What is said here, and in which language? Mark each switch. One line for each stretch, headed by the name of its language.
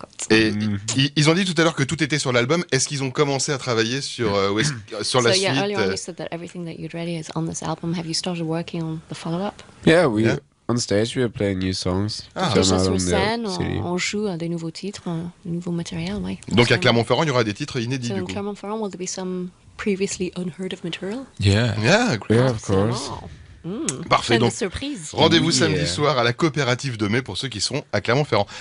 French: Et ils ont dit tout à l'heure que tout était sur l'album. Est-ce qu'ils ont commencé à travailler sur sur la suite?
English: So yeah, earlier on you said that everything that you'd ready is on this album. Have you started working on the follow-up? Yeah, we on stage we are playing new songs.
French: Ah, on sur scène, on joue des nouveaux titres, du nouveau matériel, ouais. Donc à Clermont-Ferrand, il y aura des titres inédits
English: so
French: du coup.
English: Clermont-Ferrand, will there be some previously unheard of material? Yeah. Yeah, great. Yeah, of course.
French: Parfait. Donc, surprise. Rendez-vous samedi soir à la coopérative de mai pour ceux qui sont à Clermont-Ferrand.